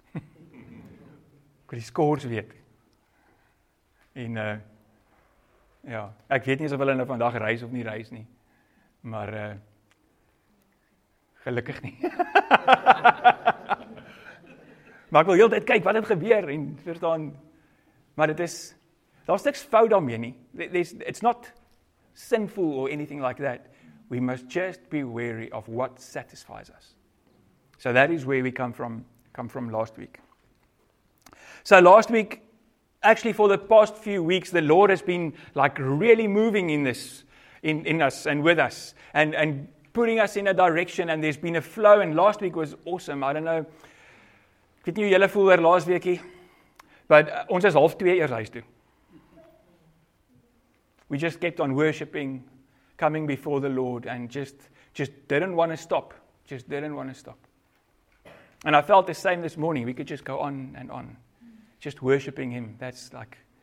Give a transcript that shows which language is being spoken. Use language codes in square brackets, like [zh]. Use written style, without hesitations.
[af] Ek wil die scores weet. En ja, ek weet nie of hulle nou vandag reis of nie reis nie. Maar gelukkig nie. Maar ek wil heeltyd kyk wat het gebeur en verstaan. Maar dit is, daar is niks fout daarmee nie. [en] It's not sinful or anything like that. We must just be wary of what satisfies us. So that is where we come from last week. So last week, actually for the past few weeks, the Lord has been like really moving in this, in us and with us and putting us in a direction, and there's been a flow, and last week was awesome. I don't know. [af] Ek weet nie hoe julle voel oor laas weekie. But ons is half twee eers huis toe. [en] We just kept on worshiping, coming before the Lord, and just didn't want to stop. Just didn't want to stop. And I felt the same this morning. We could just go on and on. Just worshiping Him. That's like.